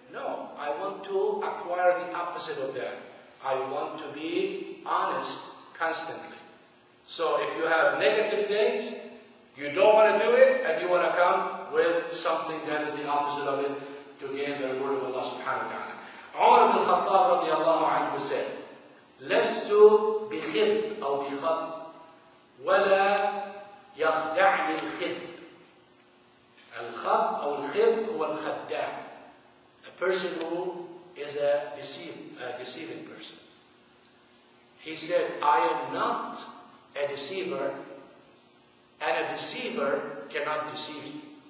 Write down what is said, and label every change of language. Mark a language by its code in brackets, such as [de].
[en] No, I want to acquire the opposite of that. I want to be honest constantly. So if you have negative things, you don't want to do it, and you want to come with something that is the opposite of it to gain the reward of Allah subhanahu wa ta'ala. Umar ibn al-Khattab radiallahu anhu said, [ar] لَسْتُ بِخِبْ أَوْ بِخَبْ وَلَا يَخْدَعْنِ الْخِبْ. الْخَبْ أَوْ الْخِبْ هُوَ الْخَدَّعْ. [en] A person who is a deceiving person. He said, I am not a deceiver, and a deceiver cannot deceive me.